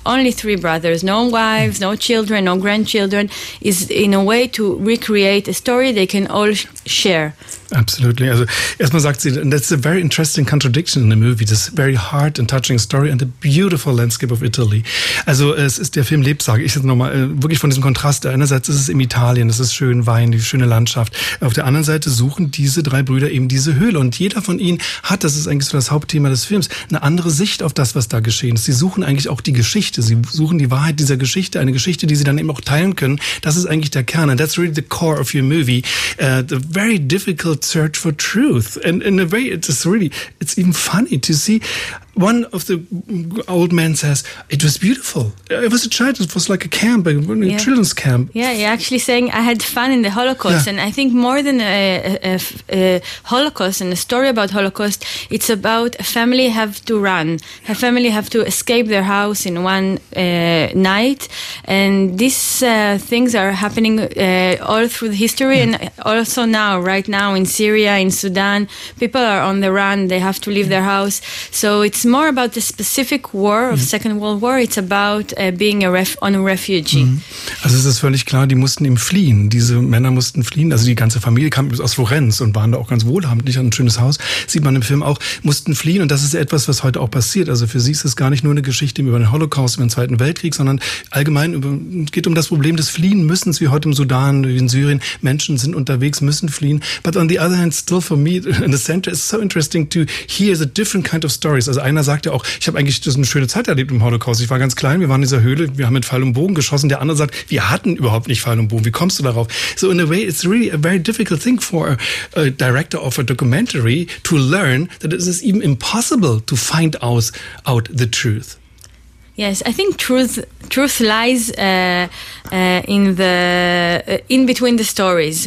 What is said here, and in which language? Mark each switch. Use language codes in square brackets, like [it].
[en] Only three brothers, no wives, no children, no grandchildren, is in a way to recreate a story they can all share. Absolutely. [de] Also, erstmal sagt sie, [en] and that's a very interesting contradiction in the movie, this very heart and touching story and the beautiful landscape of Italy. [de] Also, es ist der Film lebt, sage ich jetzt nochmal, wirklich von diesem Kontrast. Einerseits ist es in Italien, es ist schön, Wein, die schöne Landschaft. Auf der anderen Seite suchen diese drei Brüder eben diese Höhle. Und jeder von ihnen hat, das ist eigentlich so das Hauptthema des Films, eine andere Sicht auf das, was da geschehen ist. Sie suchen eigentlich auch die Geschichte. Sie suchen die Wahrheit dieser Geschichte, eine Geschichte, die sie dann eben auch teilen können. Das ist eigentlich der Kern. [en] And that's really the core of your movie. The very difficult search for truth, and in a way it's even funny to see. One of the old men says, it was beautiful. It was a child. It was like a camp, a children's camp. Yeah, you're actually saying I had fun in the Holocaust. Yeah. And I think more than a Holocaust and a story about Holocaust, it's about a family have to run. A family have to escape their house in one night. And these things are happening all through the history and also now, right now in Syria, in Sudan. People are on the run. They have to leave their house. So it's more about the specific war of Second World War. It's about being a refugee. Mm-hmm. [de] Also es ist völlig klar, die mussten eben fliehen. Diese Männer mussten fliehen. Also die ganze Familie kam aus Florenz und waren da auch ganz wohlhabend. Nicht ein schönes Haus. Sieht man im Film auch. Mussten fliehen und das ist etwas, was heute auch passiert. Also für sie ist es gar nicht nur eine Geschichte über den Holocaust, über den Zweiten Weltkrieg, sondern allgemein geht um das Problem des Fliehen Müssens, wie heute im Sudan, wie in Syrien. Menschen sind unterwegs, müssen fliehen. [en] But on the other hand, still for me, in the center, it's so interesting to hear the different kind of stories. [de] Also einer sagt ja auch, ich habe eigentlich das eine schöne Zeit erlebt im Holocaust. Ich war ganz klein, wir waren in dieser Höhle, wir haben mit Pfeil und Bogen geschossen. Der andere sagt, wir hatten überhaupt nicht Pfeil und Bogen. Wie kommst du darauf? [en] So in a way, it's really a very difficult thing for a director of a documentary to learn that it is even impossible to find out the truth. Yes, I think truth lies in between the stories.